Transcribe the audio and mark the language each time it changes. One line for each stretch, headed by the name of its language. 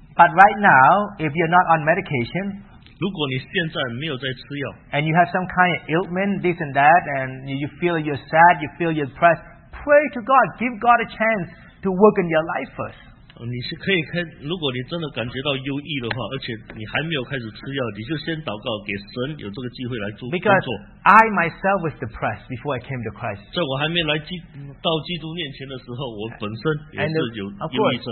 English: But right now, if you're not on medication,
Chinese: 如果你现在没有在吃药
English: and you have some kind of ailment, this and that, and you feel you're sad, you feel you're depressed, pray to God, give God a chance to work in your life first.
Chinese: 你是可以看，如果你真的感觉到忧郁的话，而且你还没有开始吃药，你就先祷告给神有这个机会来做工作。
English: Because I myself was depressed before I came to Christ.
Chinese: 在我还没来到基督面前的时候，我本身也是有忧郁症。